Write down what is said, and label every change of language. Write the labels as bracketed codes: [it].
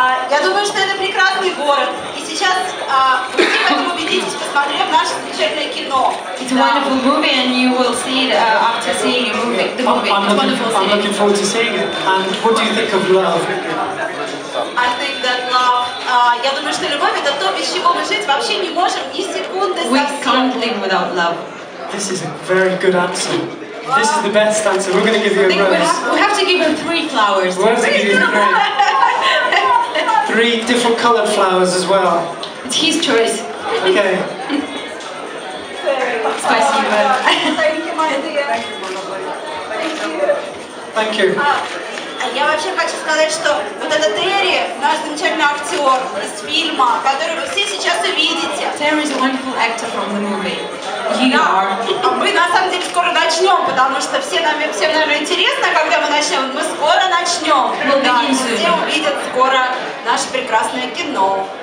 [ru] Я думаю, что это прекрасный город. И сейчас вы все хотите убедитесь, посмотрев наше замечательное кино. [en] It's a wonderful movie and you will see it after seeing the movie. The movie. It's wonderful. I'm looking forward to seeing it. And what do you think of love? I think that love. [ru] Я думаю, что любовь это то, без чего мы жить вообще не можем ни секунды. [en] We can't live without love. This is a very good answer. This is the best answer. We're going to give you a rose. We have to give him three flowers. We have to give him three. Three different colored flowers as well. It's his choice. Okay. Spicy, thank you, my dear. Thank you. [ru] Я вообще хочу сказать, что вот этот Терри, наш замечательный актер из фильма, который вы все сейчас увидите. [en] Terry is a wonderful actor from the movie. You are. [ru] Мы на самом деле скоро начнем, потому что всем наверное интересно, когда мы начнем. Мы скоро начнем. [en] We'll [ru] да, все увидят скоро наше прекрасное кино.